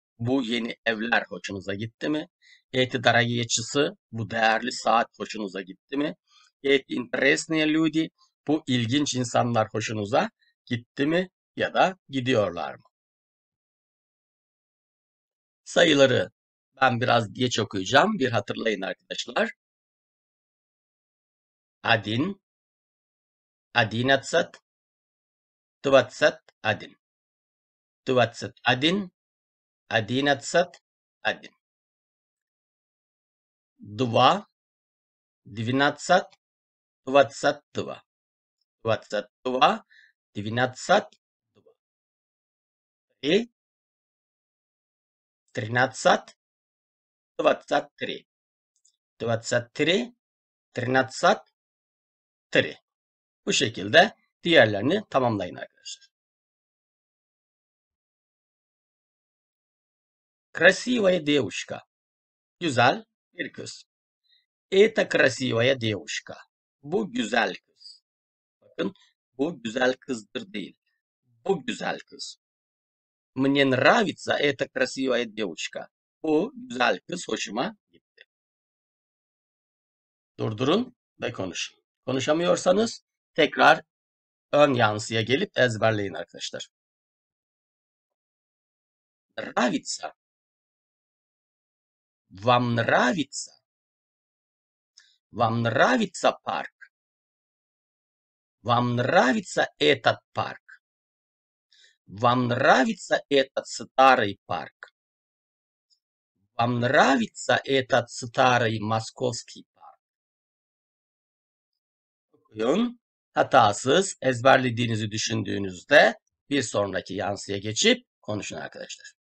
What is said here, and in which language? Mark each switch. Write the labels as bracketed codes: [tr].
[tr] Bu yeni evler hoşunuza gitti mi? [ru] Эти дорогие часы, [tr] bu değerli saat hoşunuza gitti mi? [ru] Эти интересные люди, [tr] bu ilginç insanlar hoşunuza gitti mi ya da gidiyorlar mı? Sayıları ben biraz geç okuyacağım, bir hatırlayın arkadaşlar. [ru] Один, одиннадцать, двадцать один, двадцать один, одиннадцать один. Два, двенадцать, двадцать два. Двадцать два, двенадцать, два. Три, тринадцать, двадцать три. Двадцать три, тринадцать, три. [tr] Bu şekilde diğerlerini tamamlayın arkadaşlar. [ru] Красивая девушка. [tr] Güzel bir kız. [ru] Это красивая девушка. [tr] Bu güzel kız. Bakın, bu güzel kızdır değil. Bu güzel kız. [ru] Мне нравится эта красивая девушка. [tr] Bu güzel kız hoşuma gitti. Durdurun ve konuşun. Konuşamıyorsanız tekrar ön yansıya gelip ezberleyin arkadaşlar. [ru] Нравится. Вам нравится. Вам нравится парк? Вам нравится этот парк? Вам нравится этот старый парк? Вам нравится этот старый московский парк? [tr] Okuyun. Hatasız ezberlediğinizi düşündüğünüzde bir sonraki yansıya geçip konuşun arkadaşlar.